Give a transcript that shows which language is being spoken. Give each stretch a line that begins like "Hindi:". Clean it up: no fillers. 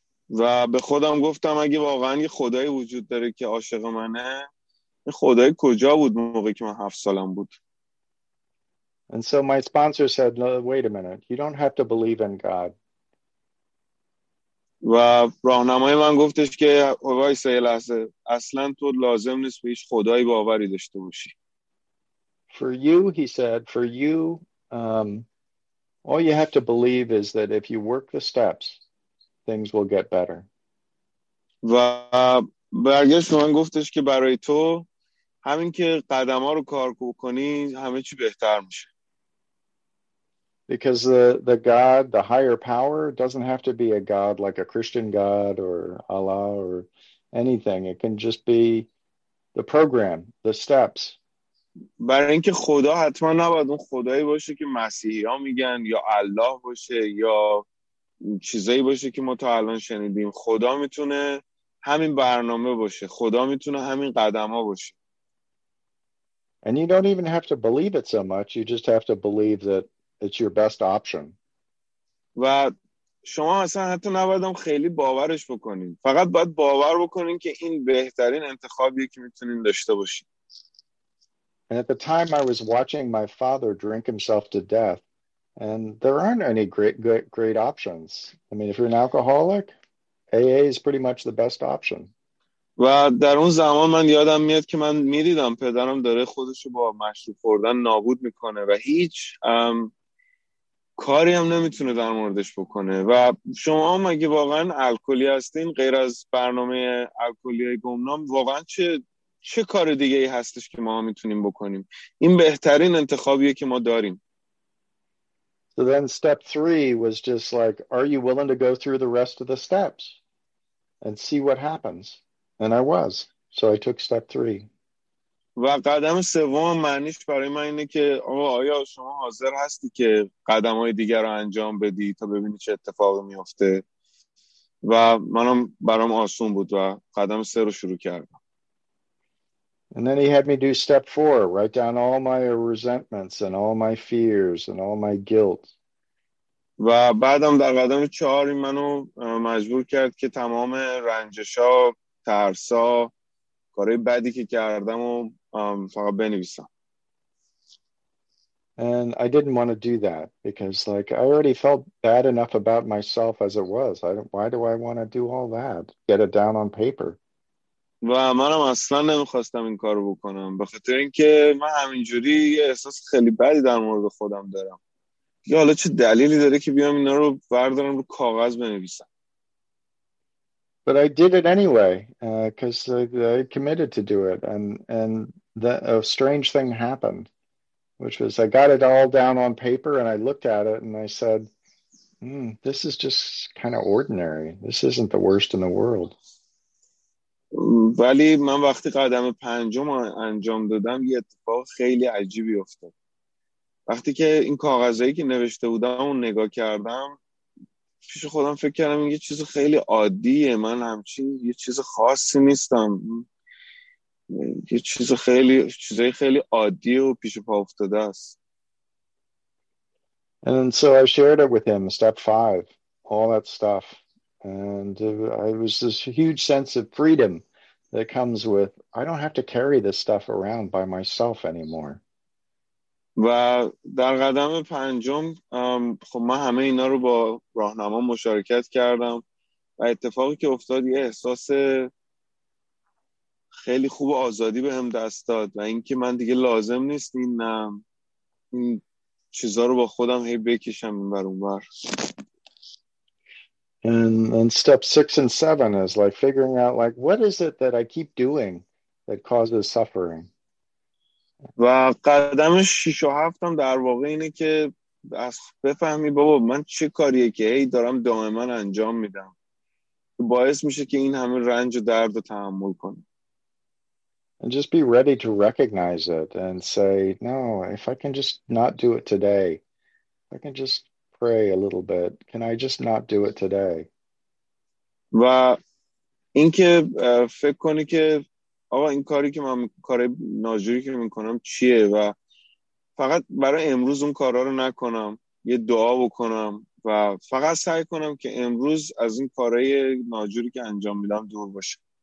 Persian: و به خودم گفتم اگه واقعا یه خدایی وجود داره که عاشق منه، این خدای کجا بود موقعی که من 7 سالم بود؟
English: And so my sponsor said, no, wait a minute, you don't have to believe in God.
Persian: و راهنمای من گفتش که وایسه یه لحظه، اصلا تو لازم نیست به هیچ خدایی باوری داشته باشی.
English: For you, he said, for you, all you have to believe is that if you work the steps, things will get better.
Persian: و برگشت به من گفتش که برای تو همین که قدم ها رو کار کنی همه چی بهتر میشه.
English: Because the God, the higher power, doesn't have to be a God like a Christian God or Allah or anything. It can just be the program, the steps.
Persian: برای اینکه خدا حتما نباید اون خدایی باشه که مسیحی ها میگن یا الله باشه یا چیزایی باشه که ما تا الان شنیدیم. خدا میتونه همین برنامه باشه، خدا میتونه همین قدم ها باشه.
English: And you don't even have to believe it so much, you just have to believe that it's your best option.
Persian: و شما اصلا حتی نباید هم خیلی باورش بکنین، فقط باید باور بکنین که این بهترین انتخابیه که میتونین داشته باشین.
English: And at the time I was watching my father drink himself to death, and there aren't any great options. I mean, if you're an alcoholic, AA is pretty much the best option.
Persian: و در اون زمان من یادم میاد که من میدیدم پدرم داره خودشو با مشروب خوردن نابود میکنه و هیچ کاری هم نمیتونه در موردش بکنه. و شما هم اگه واقعا الکلی هستین غیر از برنامه الکلی گمنام، واقعا چه کار دیگه ای هستش که ما میتونیم بکنیم؟ این بهترین انتخابیه که ما داریم.
English: So then step three was just like, are you willing to go through the rest of the steps and see what happens? And I was. So I took step three.
Persian: و قدم سوم معنیش برای من اینه که آیا شما حاضر هستی که قدم های دیگر رو انجام بدی تا ببینی چه اتفاقی میفته؟ و منم برام آسون بود و قدم سه رو شروع کردم.
English: And then he had me do step four, write down all my resentments and all my fears and all my guilt.
Persian: و بعدم در قدم چهار منو مجبور کرد که تمام رنجشا، ترسا، کارهای بدی که کردم رو فقط بنویسم.
English: And I didn't want to do that because like I already felt bad enough about myself as it was. Why do I want to do all that? Get it down on paper.
Persian: و منم اصلا نمیخواستم این کارو بکنم به خاطر اینکه من همینجوری یه احساس خیلی بدی در مورد خودم دارم. یه حالا چه دلیلی داره که بیام اینا رو بردارم رو کاغذ بنویسم؟
English: But I did it anyway because I committed to do it and a strange thing happened, which was I got it all down on paper and I looked at it and I said, this is just kind of ordinary. This isn't the worst in the world.
Persian: ولی من وقتی قدم پنجم انجام دادم یه اتفاق خیلی عجیبی افتاد. وقتی که این کاغذهایی که نوشته بودم و نگاه کردم پیش خودم فکر کردم یه چیز خیلی عادیه، من همچین یه چیز خاصی نیستم، یه چیزهای خیلی عادی و پیش پا افتاده است.
English: And so I shared it with him, step five, all that stuff. And it was this huge sense of freedom that comes with, I don't have to carry this stuff around by myself anymore.
Persian: و در قدم پنجم خب من همه اینا رو با راهنما مشارکت کردم و اتفاقی که افتاد یه احساس خیلی خوب آزادی بهم دست داد و اینکه من دیگه لازم نیست این چیزا رو با خودم هی بکشم این بر اون بر.
English: And step six and seven is like figuring out like what is it that I keep doing that causes suffering.
Persian: و قدم شش و هفت هم در واقع اینه که از بفهمی بابا من چه کاریه که ای دارم دائما انجام میدم باعث میشه که این همه رنج و درد رو تحمل کنم.
English: And just be ready to recognize it and say, no, if I can just not do it today, if I can just pray a little bit, can I just not do it today?
Persian: و اینکه فکر کنی که آقا این کاری که من کار ناجوری که میکنم چیه و فقط برای امروز اون کارا رو نکنم، یه دعا بکنم و فقط سعی کنم که امروز از این کارهای ناجوری که انجام میدم دور باشم.